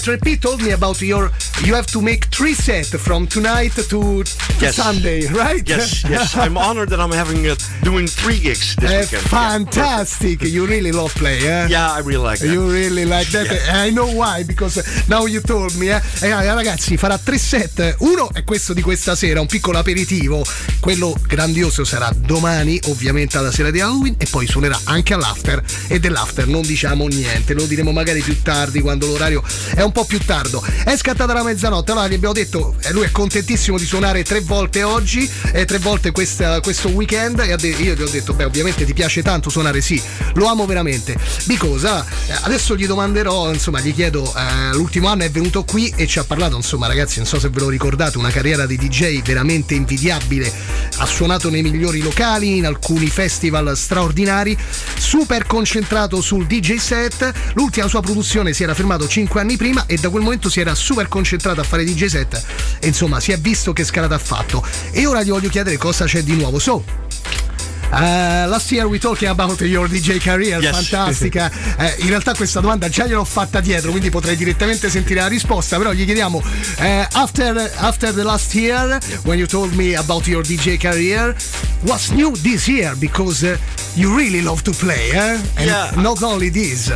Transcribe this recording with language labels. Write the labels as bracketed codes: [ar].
[en] Treppi told me about your, you have to make 3 sets from tonight to Sunday, right? Yes. I'm honored that I'm having doing 3 gigs this weekend. Fantastic. You really love play, eh? Yeah, I really like that. You really like that. Yeah. I know why, because now you told me, eh? [it] E ragazzi, farà 3 set. Uno è questo di questa sera, un piccolo aperitivo. Quello grandioso sarà domani, ovviamente, alla sera di Halloween, e poi suonerà anche all'after, e dell'after non diciamo niente, lo diremo magari più tardi, quando l'orario è un po' più tardo. È scattata la mezzanotte, allora gli abbiamo detto, lui è contentissimo di suonare 3 volte oggi, e 3 volte questo weekend, e io gli ho detto, beh, ovviamente ti piace tanto suonare, sì, lo amo veramente. [en] Because, [it] adesso gli domanderò, insomma, gli chiedo, l'ultimo anno è venuto qui e ci ha parlato, insomma, ragazzi, non so se ve lo ricordate, una carriera di DJ veramente invidiabile, ha suonato nei migliori locali, in alcuni festival straordinari, super concentrato sul DJ set. L'ultima sua produzione si era fermato 5 anni prima, e da quel momento si era super concentrato a fare DJ set, e insomma si è visto che scalata ha fatto. E ora gli voglio chiedere cosa c'è di nuovo. [en] So, last year we talking about your DJ career. Yes. [it] Fantastica. In realtà questa domanda già gliel'ho fatta dietro, quindi potrei direttamente sentire la risposta, però gli chiediamo, [en] after the last year when you told me about your DJ career, what's new this year, because you really love to play, not only this.